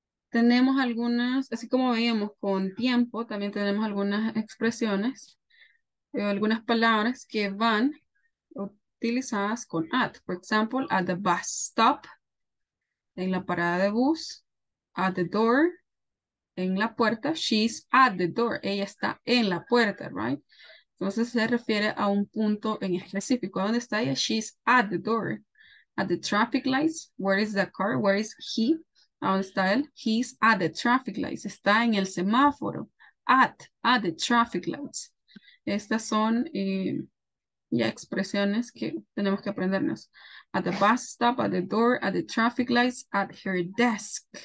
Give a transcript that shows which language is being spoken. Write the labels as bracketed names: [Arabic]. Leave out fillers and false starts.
[Spanish] Tenemos algunas, así como veíamos con tiempo, también tenemos algunas expresiones, algunas palabras que van utilizadas con at. [English] For example, at the bus stop, [Spanish] en la parada de bus, [English] at the door, [Spanish] en la puerta, [English] she's at the door, [Spanish] ella está en la puerta, [English] right? [Spanish] Entonces se refiere a un punto en específico, ¿dónde está ella? [English] She's at the door. At the traffic lights, where is the car, where is he? [Spanish] ¿Dónde está él? [English] He's at the traffic lights. [Spanish] Está en el semáforo. [English] At the traffic lights. [Spanish] Estas son ya expresiones que tenemos que aprendernos. [English] At the bus stop, at the door, at the traffic lights, at her desk.